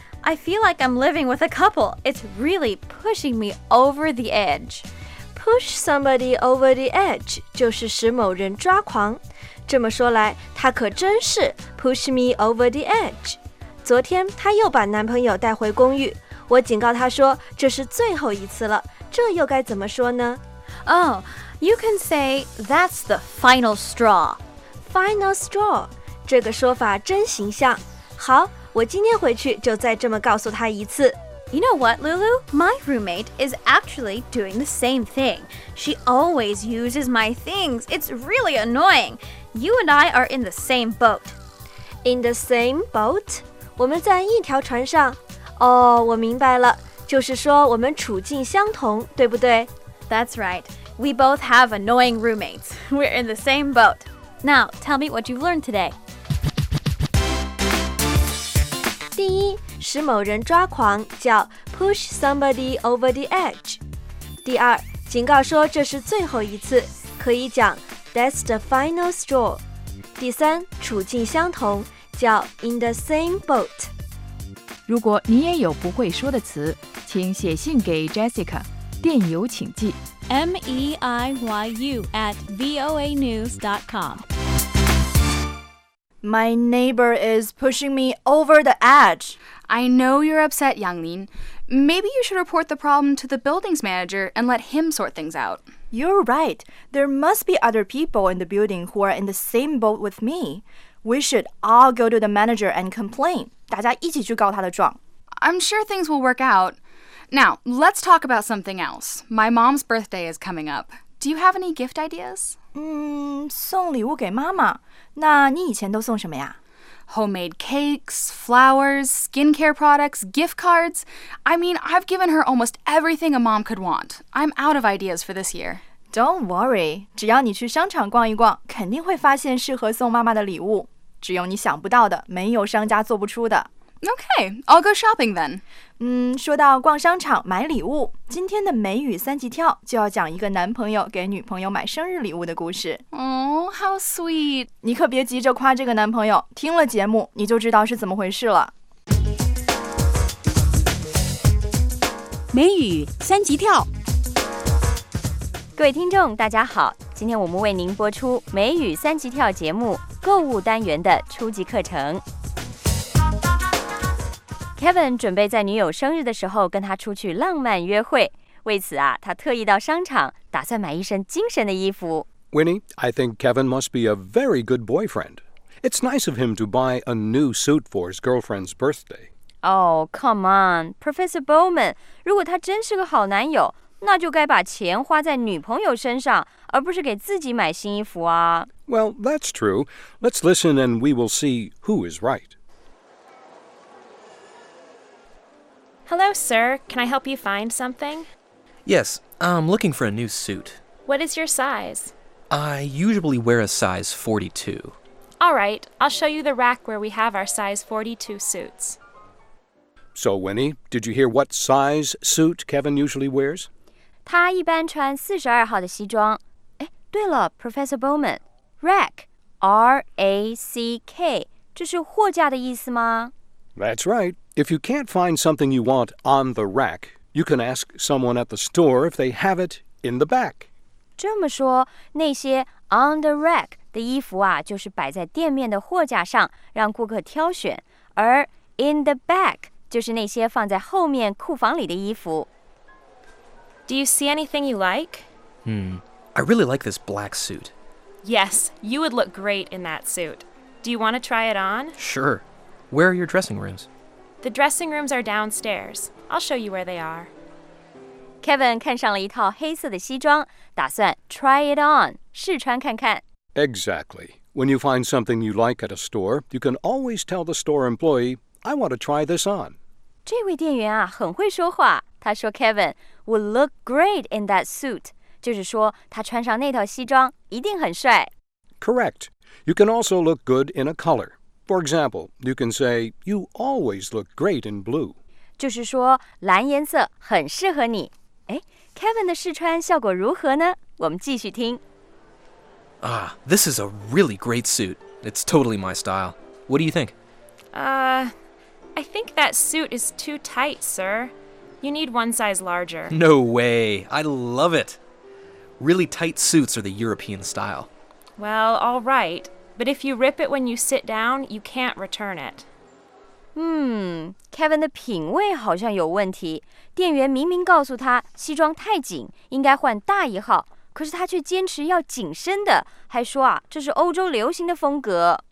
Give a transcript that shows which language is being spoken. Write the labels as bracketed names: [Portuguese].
[English] I feel like I'm living with a couple. It's really pushing me over the edge. Push somebody over the edge [Chinese] 就是使某人抓狂。这么说来，她可真是 [English] push me over the edge. [Chinese] 昨天她又把男朋友带回公寓，我警告她说这是最后一次了，这又该怎么说呢？ [English] Oh, you can say that's the final straw. Final straw. [Chinese] 这个说法真形象。好，我今天回去就再这么告诉他一次。 [English] You know what, Lulu? My roommate is actually doing the same thing. She always uses my things. It's really annoying. You and I are in the same boat. In the same boat? [Chinese] 我们在一条船上。 Oh, 我明白了。就是说我们处境相同，对不对？ [English] That's right. We both have annoying roommates. We're in the same boat. Now, tell me what you've learned today. [Chinese] 第一，使某人抓狂叫 [English] push somebody over the edge. [Chinese] 第二，警告说这是最后一次，可以讲 [English] that's the final straw. [Chinese] 第三，处境相同叫 [English] in the same boat. [Chinese] 如果你也有不会说的词，请写信给 Jessica， 电邮请寄 [English] meiyu@voanews.com. My neighbor is pushing me over the edge. I know you're upset, Yanglin. Maybe you should report the problem to the buildings manager and let him sort things out. You're right. There must be other people in the building who are in the same boat with me. We should all go to the manager and complain. [Chinese] 大家一起去告他的状。 [English] I'm sure things will work out. Now, let's talk about something else. My mom's birthday is coming up. Do you have any gift ideas? [Chinese] 送礼物给妈妈。那你以前都送什么呀？ [English] Homemade cakes, flowers, skincare products, gift cards. I mean, I've given her almost everything a mom could want. I'm out of ideas for this year. Don't worry. [Chinese] 只要你去商场逛一逛，肯定会发现适合送妈妈的礼物。只有你想不到的，没有商家做不出的。 [English] Okay, I'll go shopping then. [Chinese] 说到逛商场买礼物，今天的美语三级跳就要讲一个男朋友给女朋友买生日礼物的故事。 [English] Oh, how sweet. [Chinese] 你可别急着夸这个男朋友，听了节目你就知道是怎么回事了。美语三级跳。各位听众大家好，今天我们为您播出美语三级跳节目购物单元的初级课程。 Kevin 准备在女友生日的时候跟她出去浪漫约会，为此啊，他特意到商场打算买一身精神的衣服。 [English] Winnie, I think Kevin must be a very good boyfriend. It's nice of him to buy a new suit for his girlfriend's birthday. Oh, come on, Professor Bowman, [Chinese] 如果他真是个好男友，那就该把钱花在女朋友身上，而不是给自己买新衣服啊。 [English] Well, that's true. Let's listen and we will see who is right. Hello, sir. Can I help you find something? Yes, I'm looking for a new suit. What is your size? I usually wear a size 42. All right, I'll show you the rack where we have our size 42 suits. So, Winnie, did you hear what size suit Kevin usually wears? [Chinese] 他一般穿42号的西装。哎，对了 ，Professor Bowman， rack， R-A-C-K， 这是货架的意思吗 [English] ？That's right. If you can't find something you want on the rack, you can ask someone at the store if they have it in the back. [Chinese] 这么说，那些 [English] on the rack [Chinese] 的衣服啊，就是摆在店面的货架上，让顾客挑选；而 [English] in the back [Chinese] 就是那些放在后面库房里的衣服。 [English] Do you see anything you like? I really like this black suit. Yes, you would look great in that suit. Do you want to try it on? Sure. Where are your dressing rooms? The dressing rooms are downstairs. I'll show you where they are. [Chinese] Kevin 看上了一套黑色的西装，打算 [English] try it on, [Chinese] 试穿看看。 [English] Exactly. When you find something you like at a store, you can always tell the store employee, I want to try this on. [Chinese] 这位店员啊，很会说话。他说 [English] Kevin would look great in that suit, [Chinese] 就是说他穿上那套西装一定很帅。 [English] Correct. You can also look good in a color. For example, you can say, you always look great in blue. [Chinese] 就是说蓝颜色很适合你。哎， Kevin 的试穿效果如何呢？我们继续听。 [English] Ah, this is a really great suit. It's totally my style. What do you think? I think that suit is too tight, sir. You need one size larger. No way. I love it. Really tight suits are the European style. Well, all right. But if you rip it when you sit down, you can't return it. [Chinese] Kevin 的品味好像有问题。店员明明告诉他西装太紧，应该换大一号，可是他却坚持要紧身的，还说啊，这是欧洲流行的风格。